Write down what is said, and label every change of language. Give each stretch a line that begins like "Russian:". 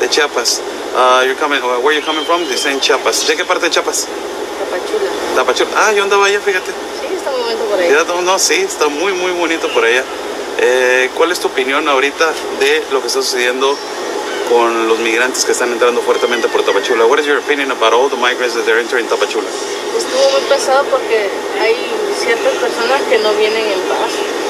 English: De Chiapas. You're coming. Where are you coming from? They say in Chiapas. ¿De qué parte de Chiapas?
Spanish: Tapachula. Tapachula. Ah, yo andaba allá, fíjate. Sí, está muy bonito por allá. No, sí, está muy, muy bonito por allá. ¿Cuál es tu opinión ahorita de lo que está sucediendo con los migrantes que están entrando fuertemente por Tapachula?
English: What is your opinion about all the migrants that are entering Tapachula?
Spanish: Estuvo muy pesado porque hay ciertas personas que no vienen en paz.